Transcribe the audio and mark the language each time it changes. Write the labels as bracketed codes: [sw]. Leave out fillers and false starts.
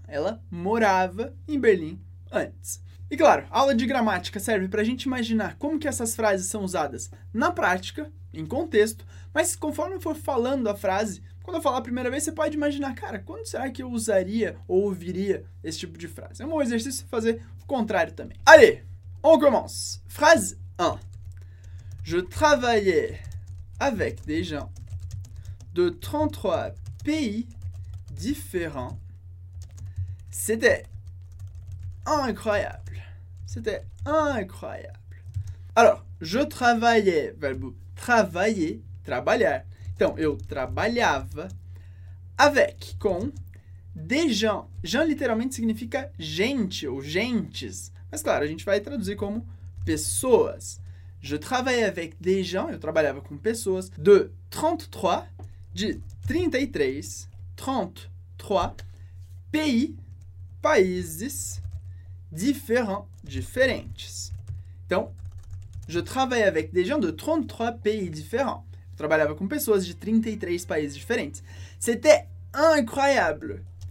[pt] Ela morava em Berlim antes. E claro, aula de gramática serve para a gente imaginar como que essas frases são usadas na prática, em contexto, mas conforme eu for falando a frase, quando eu falar a primeira vez, você pode imaginar, cara, quando será que eu usaria ou ouviria esse tipo de frase? É um bom exercício fazer o contrário também. [fr] Allez! On commence. Phrase 1. Je travaillais avec des gens de 33 pays différents. C'était incroyable. C'était incroyable. Alors, je travaillais, verbo travailler, trabalhar. [pt] Então, eu trabalhava [fr] avec, [pt] com, [fr] des gens. [pt] Gens literalmente significa gente ou gentes. Mas claro, a gente vai traduzir como pessoas. [fr] Je travaillais avec des gens, [pt] eu trabalhava com pessoas, [fr] de 33, de 33, 33, pays, [pt] países, [fr] différents, [pt] diferentes. Então, [fr] je travaillais avec des gens de 33 pays différents. [pt] Eu trabalhava com pessoas de 33 países diferentes. [fr] C'était incroyable.